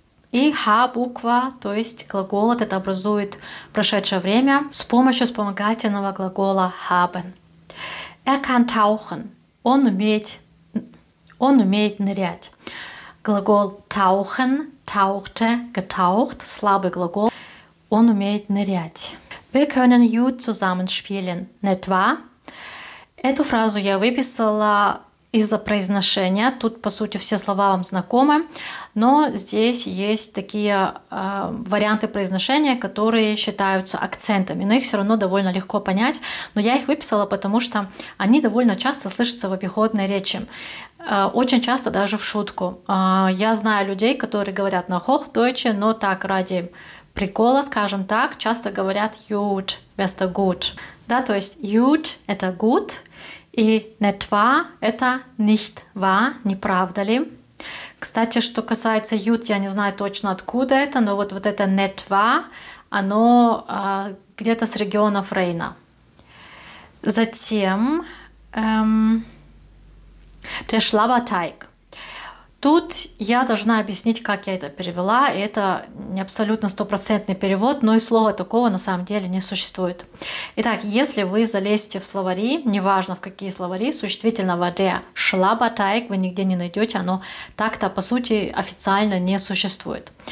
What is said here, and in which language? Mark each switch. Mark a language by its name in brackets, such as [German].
[Russian] И «h-буква», то есть глагол, это образует прошедшее время с помощью вспомогательного глагола «haben». [German] «Er kann tauchen». [Russian] Он умеет нырять. Глагол tauchen, tauchte, getaucht, слабый глагол. Он умеет нырять. [German] Wir können gut zusammenspielen, nicht wahr? [Russian] Эту фразу я выписала из-за произношения. Тут, по сути, все слова вам знакомы. Но здесь есть такие варианты произношения, которые считаются акцентами. Но их все равно довольно легко понять. Но я их выписала, потому что они довольно часто слышатся в обиходной речи. Очень часто даже в шутку. Я знаю людей, которые говорят на Hochdeutsche, но так, ради прикола, скажем так, часто говорят «gut» вместо «gut». Да, то есть «gut» — это «gut». И [German] nicht wahr [Russian] — это nicht wahr, не правда ли? Кстати, что касается gut, я не знаю точно откуда это, но вот это nicht wahr, оно где-то с регионов Рейна. Затем der Schlabberteig. Тут я должна объяснить, как я это перевела. И это не абсолютно стопроцентный перевод, но и слова такого на самом деле не существует. Итак, если вы залезете в словари, неважно в какие словари, существительного der Schlabberteig вы нигде не найдете, оно так-то, по сути, официально не существует.